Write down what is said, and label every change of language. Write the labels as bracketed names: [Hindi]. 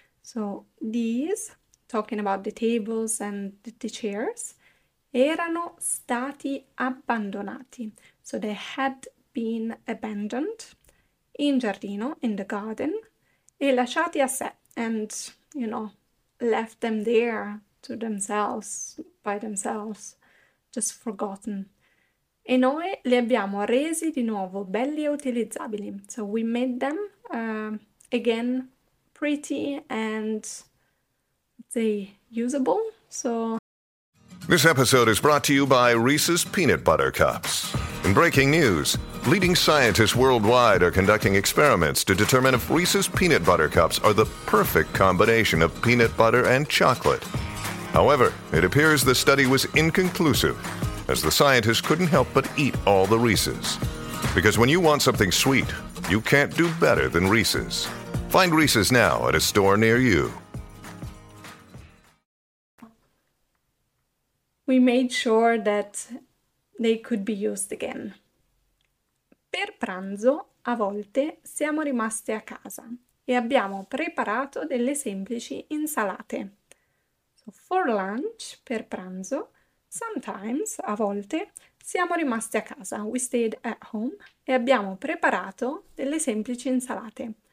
[English] So these, talking about the tables and the chairs, [Italian] erano stati abbandonati. [English] So they had been been abandoned [Italian] in giardino, [English] in the garden, [Italian] e lasciati a sé, [English] and, you know, left them there to themselves, by themselves, just forgotten. [Italian] E noi li abbiamo resi di nuovo belli e utilizzabili. [English] So we made them again pretty and they usable. So this episode is brought to you by Reese's Peanut Butter Cups. In breaking news, leading scientists worldwide are conducting experiments to determine if Reese's Peanut Butter Cups are the perfect combination of peanut butter and chocolate. However, it appears the study was inconclusive, as the scientists couldn't help but eat all the Reese's. Because when you want something sweet, you can't do better than Reese's. Find Reese's now at a store near you. We made sure that they could be used again. [Italian] Per pranzo, a volte, siamo rimaste a casa e abbiamo preparato delle semplici insalate. [English] So for lunch, [Italian] per pranzo, sometimes, a volte, siamo rimasti a casa. [English] We stayed at home [Italian] e abbiamo preparato delle semplici insalate.